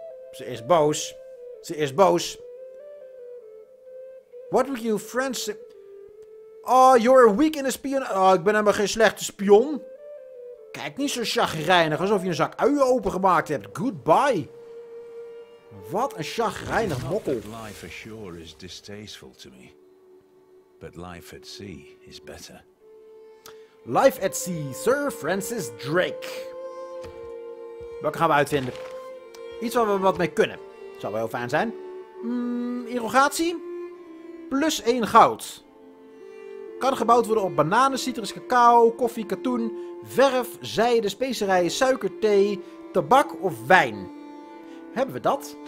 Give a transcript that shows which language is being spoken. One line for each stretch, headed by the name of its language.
Dutch: Ze is boos. Ze is boos.
English: What would you friends... Oh, you're weak in a spion...
Dutch: Oh, ik ben helemaal geen slechte spion. Kijk, niet zo chagrijnig, alsof je een zak uien opengemaakt hebt.
English: Goodbye.
Dutch: Wat een chagrijnig mokkel.
English: Life ashore is distasteful to me. But life at sea is better. Life at sea, Sir Francis Drake.
Dutch: Welke gaan we uitvinden? Iets waar we wat mee kunnen. Zou wel heel fijn zijn. Irrigatie. Plus 1 goud. Kan gebouwd worden op bananen, citrus, cacao, koffie, katoen, verf, zijde, specerijen, suiker, thee, tabak of wijn. Hebben we dat?